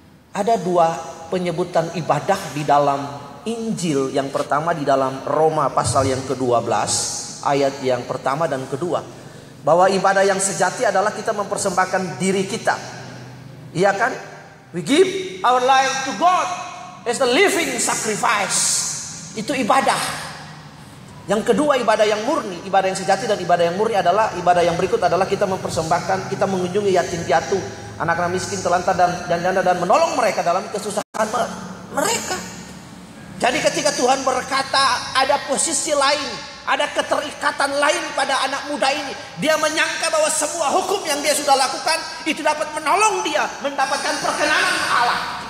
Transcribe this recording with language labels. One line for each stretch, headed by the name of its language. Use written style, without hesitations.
Indonesian: Ada dua penyebutan ibadah di dalam Injil. Yang pertama di dalam Roma pasal yang ke-12 ayat yang pertama dan kedua. Bahwa ibadah yang sejati adalah kita mempersembahkan diri kita. Iya kan?
English: We give our life to God as a living sacrifice.
Indonesian: Itu ibadah. Yang kedua ibadah yang murni, ibadah yang sejati dan ibadah yang murni adalah ibadah yang berikut adalah kita mempersembahkan, kita mengunjungi yatim piatu, anak-anak miskin, telantar dan janda dan menolong mereka dalam kesusahan mereka. Jadi ketika Tuhan berkata ada posisi lain, ada keterikatan lain pada anak muda ini, dia menyangka bahwa semua hukum yang dia sudah lakukan itu dapat menolong dia mendapatkan perkenanan Allah.